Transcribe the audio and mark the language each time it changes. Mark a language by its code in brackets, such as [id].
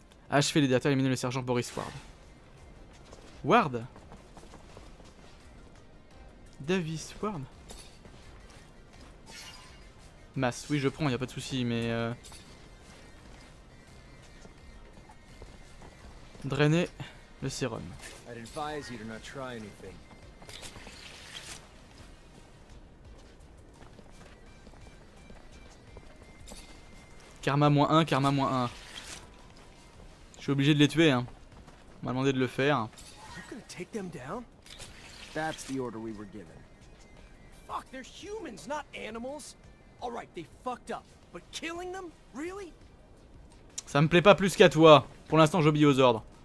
[fr] Achevez les déserteurs, éliminez le sergent Boris Ward. Ward? Davis Ward? Masse, oui je prends, y'a pas de souci, mais drainer le sérum. [en] I'd advise you to not try anything. [fr] Karma moins 1, karma moins 1. Je suis obligé de les tuer, hein. On m'a demandé de le faire. [en] You're gonna take them down? That's the order we were given. Fuck, they're humans, not animals. Alright, they fucked up. But killing them? Really? [fr] Ça me plaît pas plus qu'à toi. Pour l'instant, j'obéis aux ordres.